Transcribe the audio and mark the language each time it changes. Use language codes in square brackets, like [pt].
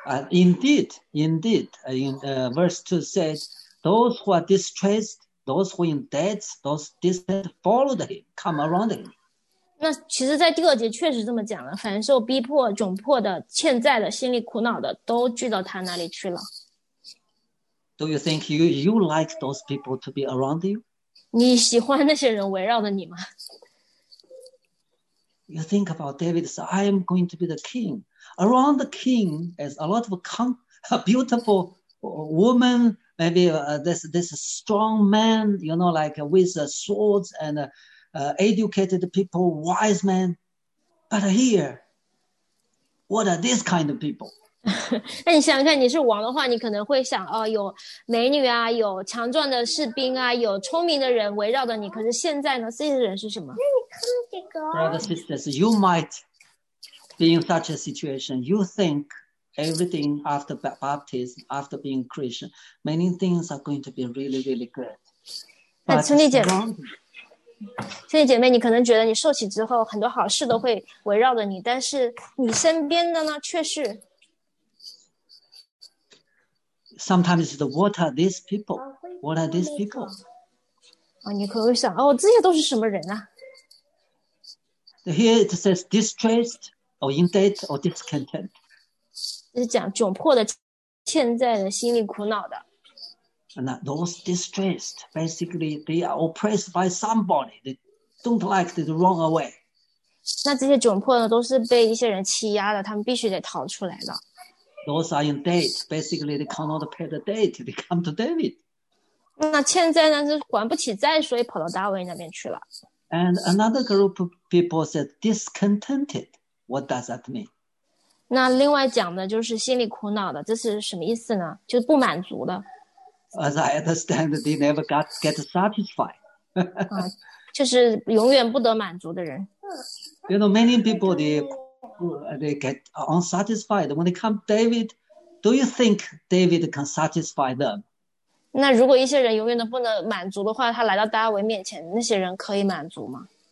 [en] Indeed, in verse 2 says,Those who are distressed, those who are in debt, those distressed followed him, come around him. [zh] 那其实在第二节确实这么讲了，凡受逼迫、窘迫的、欠债的、心里苦恼的，都聚到他那里去了。 [en] Do you think you like those people to be around you? [zh] 你喜欢那些人围绕着你吗？ [en] You think about David, so I am going to be the king. Around the king is a lot of beautiful womanMaybe this strong man, you know, like with swords and educated people, wise men. But here, what are these kind of people? [zh] 那你想看，你是王的话，你可能会想，哦，有美女啊，有强壮的士兵啊，有聪明的人围绕着你。可是现在呢，这些人是什么？那你看这个。 [en] Brothers and sisters, you might be in such a situation. You think. Everything after baptism, after being Christian, many things are going to be really, really good. [zh] 那兄弟姐妹，你可能觉得你受洗之后很多好事都会围绕着你，但是你身边的呢，却是。 [en] Sometimes the what are these people? What are these people? [zh] 啊，你可会想哦，这些都是什么人啊 [en] ？Here it says distressed, or in debt, or discontent. [zh] 就是讲窘迫的、现在的心理苦恼的。 [en] And those distressed, basically, they are oppressed by somebody. They don't like to run away. [zh] 那这些窘迫呢，都是被一些人欺压的，他们必须得逃出来的。 [en] Those are in debt. Basically, they cannot pay the debt. They come to David. [zh] 那欠债呢，是还不起债，所以跑到大卫那边去了。 [en] And another group of people said discontented. What does that mean? [zh] 那另外讲的就是心里苦恼的，这是什么意思呢？就是不满足的。 [en] As I understand, they never get satisfied. [zh] 就是永远不得满足的人。 [en] You know, many people, they get unsatisfied. When they come to David, do you think David can satisfy them? [zh] 那如果一些人永远都不能满足的话，他来到大卫面前，那些人可以满足吗？